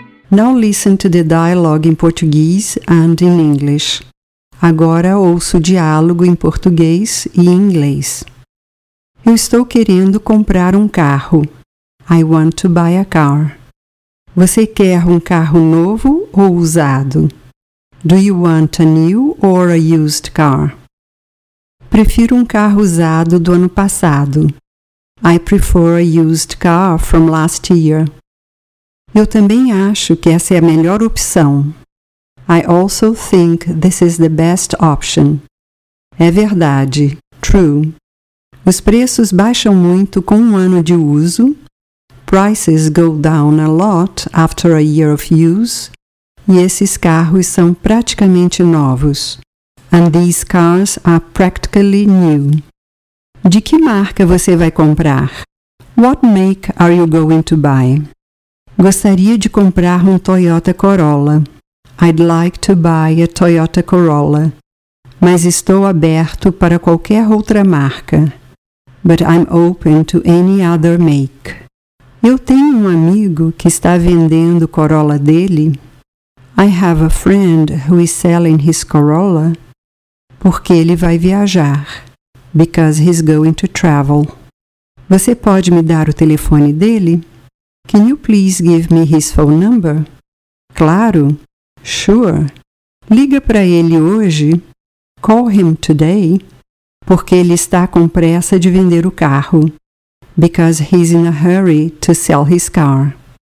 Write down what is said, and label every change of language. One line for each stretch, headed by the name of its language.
English: Now listen to the dialogue in Portuguese and in English.
Portuguese: Agora ouço o diálogo em português e em inglês. Eu estou querendo comprar um carro.
English: I want to buy a car.
Portuguese: Você quer um carro novo ou usado?
English: Do you want a new or a used car?
Portuguese: Prefiro um carro usado do ano passado.
English: I prefer a used car from last year.
Portuguese: Eu também acho que essa é a melhor opção.
English: I also think this is the best option.
Portuguese: É verdade.
English: True.
Portuguese: Os preços baixam muito com um ano de uso.
English: Prices go down a lot after a year of use.
Portuguese: E esses carros são praticamente novos.
English: And these cars are practically new.
Portuguese: De que marca você vai comprar?
English: What make are you going to buy?
Portuguese: Gostaria de comprar um Toyota Corolla.
English: I'd like to buy a Toyota Corolla.
Portuguese: Mas estou aberto para qualquer outra marca.
English: But I'm open to any other make.
Portuguese: Eu tenho um amigo que está vendendo o Corolla dele.
English: I have a friend who is selling his Corolla.
Portuguese: Porque ele vai viajar.
English: Because he's going to travel.
Portuguese: Você pode me dar o telefone dele?
English: Can you please give me his phone number?
Portuguese: Claro.
English: Sure.
Portuguese: Liga para ele hoje.
English: Call him today.
Portuguese: Porque ele está com pressa de vender o carro.
English: Because he's in a hurry to sell his car.